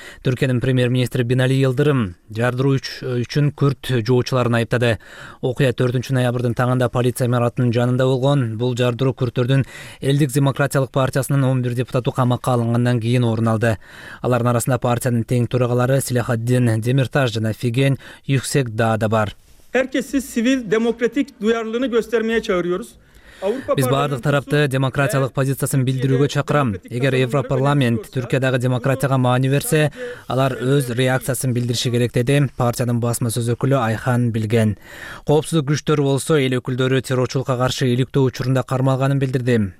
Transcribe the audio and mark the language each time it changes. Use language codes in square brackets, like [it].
[ky] Түркиянын премьер-министри Бинали Йылдырым жардыруу үчүн күрд жоочуларын айыптады. Окуя 4 ноябрдын таңында полиция имаратынын жанында болгон. Бул жардыруу күрдтөрдүн элдик Демократиялык партиясынын 11 депутаты камакка алынгандан кийин орун алды. Алардын арасында партиянын тең төрагалары Силахаддин Демиртаж жана Фиген Юксек Даа да бар. [tr] Herkesi sivil demokratik duyarlılığını göstermeye çağırıyoruz. [ky] Биз баардык тарапты демократиялык позициясын билдирүүгө чакырам. Эгер Европарламент Түркиядагы демократияга маани берсе, алар өз реакциясын билдириши керек, деди партиянын басма сөз өкүлү Айхан Билген. Коопсуздук күчтөрү болсо, эл өкүлдөрү террорчулукка каршы иликтөө учурунда кармалганын билдирди.